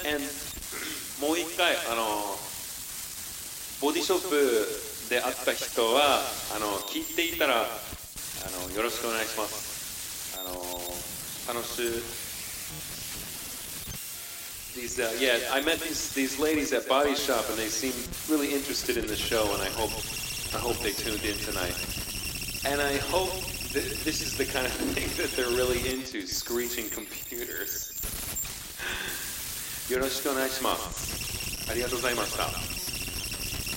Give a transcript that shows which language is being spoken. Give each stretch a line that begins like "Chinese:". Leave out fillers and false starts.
Japanese: And もう一回, ボディショップで会った人は、聞いていたら、よろしくお願いします。
English: I met these ladies at Body Shop and they seemed really interested in the show and I hope they tuned in tonight. And I hope that this is the kind of thing that they're really into, screeching computers.
Japanese: よろしくお願いします。ありがとうございました。